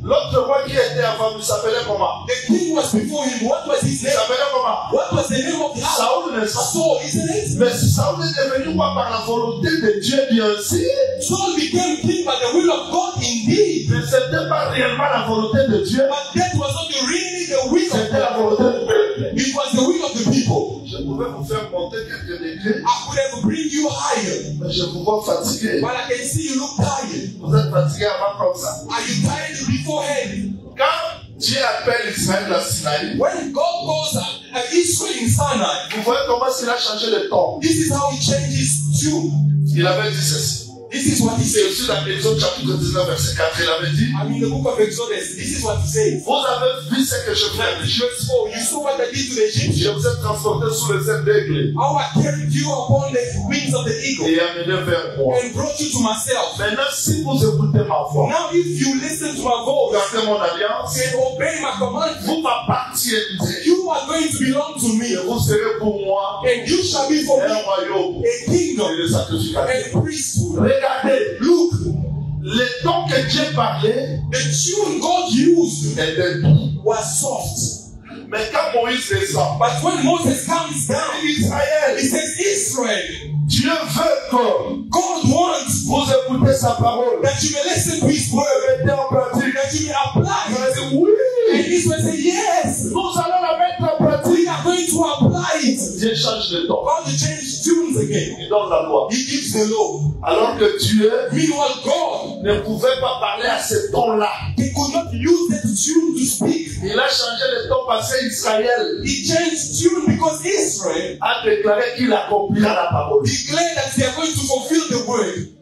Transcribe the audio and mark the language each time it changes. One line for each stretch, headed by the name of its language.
French: l'autre roi qui était avant lui s'appelait comment?
English: The king was before him. What was his name?
French: Il s'appelait comment?
English: What was the name of Saul?
French: Saul, n'est-ce pas?
English: Saul, isn't it?
French: Mais Saul est devenu roi par la volonté de Dieu, bien sûr.
English: Saul became king by the will of God, indeed.
French: Mais ce n'était pas réellement la volonté de Dieu.
English: But that was not really the will.
French: C'était la volonté de Dieu.
English: It was the will of the people.
French: Je pouvais vous faire monter quelques degrés.
English: I could have bring you higher.
French: Mais je vous vois fatigué.
English: But I can see you look tired.
French: Vous êtes fatigué avant comme ça.
English: Are you tired beforehand?
French: Quand Dieu appelle Israël à Sinaï,
English: when God calls Israel in Sinai,
French: vous voyez comment cela a changé le ton.
English: This is how he changes tune.
French: Il avait dit ceci.
English: This is what he said.
French: Aussi dans Exode chapitre 19 verset 4, il avait dit.
English: I mean the book of Exodus. This is what he says.
French: Vous avez vu ce que je fais.
English: Like Exodus 4, you saw what I did to the Egyptians.
French: Je vous ai transporté sous les ailes d'aigle.
English: How I carried you upon the wings of the eagle.
French: Et amené vers moi.
English: And brought you to myself.
French: Maintenant si vous écoutez ma voix.
English: Now if you listen to my voice.
French: Gardez mon alliance.
English: And obey my command.
French: Vous m'appartiendrez.
English: You are going to belong to me.
French: Et vous serez pour moi.
English: And you shall be for me.
French: Un royaume.
English: A kingdom.
French: Et le sacrificateur.
English: A priesthood.
French: Regardez, look, le ton que Dieu parlait,
English: the tune God used, was soft.
French: Mais quand Moïse descend,
English: but when Moses comes down,
French: Israël,
English: he says Israel,
French: Dieu veut que
English: God wants
French: vous écoutez sa parole,
English: that you may listen to His word,
French: mettez en pratique,
English: that you may apply.
French: Il dit oui.
English: And Israel says yes.
French: Nous allons la mettre en pratique.
English: We are going to apply it.
French: Dieu change le ton.
English: God changes tunes again.
French: Il donne la loi.
English: He gives the law.
French: Alors que Dieu,
English: meanwhile God,
French: ne pouvait pas parler à ce ton-là.
English: He could not use that tune to speak.
French: Il a changé le ton parce que Israël,
English: he changed tune because Israel,
French: a déclaré qu'il accomplira la parole.
English: Declared that they are going to fulfill the word.